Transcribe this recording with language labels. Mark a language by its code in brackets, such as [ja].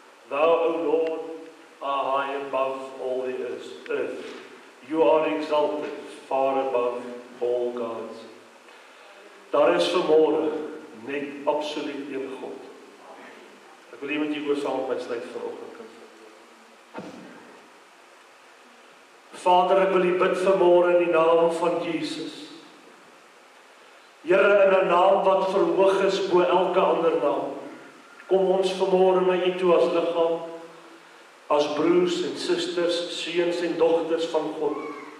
[en] Thou, O Lord, are high above all the earth. You are exalted far above all gods. [af] Daar is vanmôre net absoluut een God. Ek wil iemand hier oor saam met my sluit vir oggend. Vader, ek wil U bid vanmôre in die naam van Jesus. Here, in 'n naam wat verhoog is bo elke ander naam, kom ons vanmôre na U toe as liggaam, as broers en susters, seuns en dogters van God.